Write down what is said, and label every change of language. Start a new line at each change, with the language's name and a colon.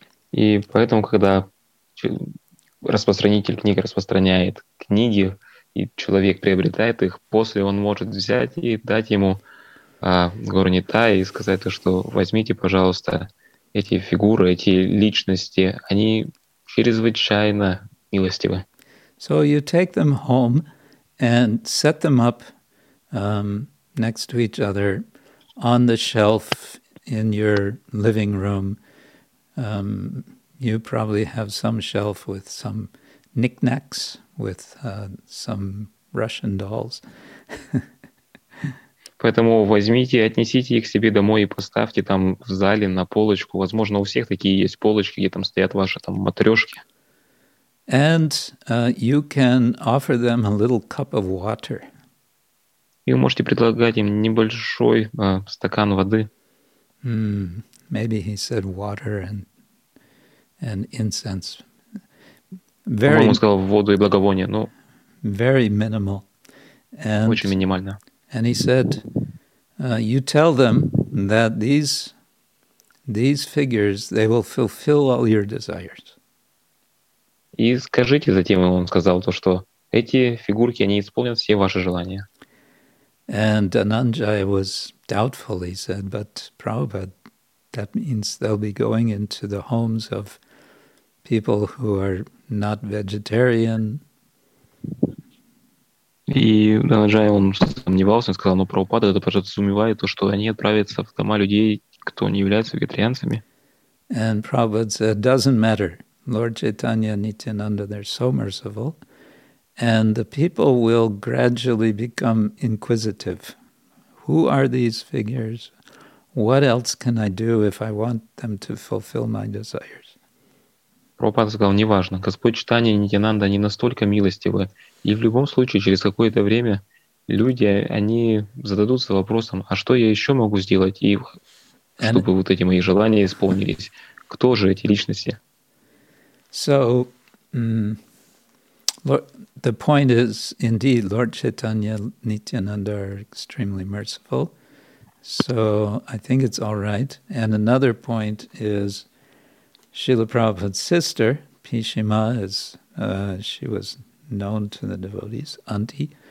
Russian: И поэтому, когда распространитель книг распространяет книги, и человек приобретает их, после он может взять и дать ему Гурни Тай и сказать то, что возьмите, пожалуйста, эти фигуры, эти личности, они чрезвычайно милостивы.
English: So you take them home and set them up next to each other on the shelf in your living room. You probably have some shelf with some knickknacks, with some Russian dolls.
Russian: Поэтому возьмите, отнесите их себе домой и поставьте там в зале на полочку. Возможно, у всех такие есть полочки, где там стоят ваши там матрешки.
English: And you can offer them a little cup of water.
Russian: И вы можете предлагать им небольшой стакан воды.
English: Maybe he said water and incense. Very,
Russian: он сказал воду и благовоние, но
English: very minimal. And,
Russian: очень минимально.
English: And he said, you tell them that these figures, they will fulfill all your desires.
Russian: И скажите затем, он сказал то, что эти фигурки, они исполнят все ваши желания.
English: And Ananjaya was doubtful, he said, but Prabhupada, that means they'll be going into the homes of people who are not vegetarian.
Russian: И Данаджай, он сомневался, он сказал, но Прабхупада это подразумевает то, что они отправятся в дома людей, кто не является вегетарианцами.
English: And Prabhupada said, it doesn't matter. Lord Chaitanya and Nityananda, they're so merciful. And the people will gradually become inquisitive. Who are these figures? What else can I do if I want them to fulfill my desires?
Russian: Прабхупада сказал, неважно, Господь Чайтанья и Нитьянанда, они настолько милостивы. И в любом случае, через какое-то время, люди, они зададутся вопросом, а что я еще могу сделать, и чтобы вот эти мои желания исполнились? Кто же эти личности?
English: So, the point is, indeed, Lord Chaitanya and Nityananda are extremely merciful. So, I think it's all right. And another point is, Srila Prabhupada's sister, Pishima, is, she was known to the devotees, auntie.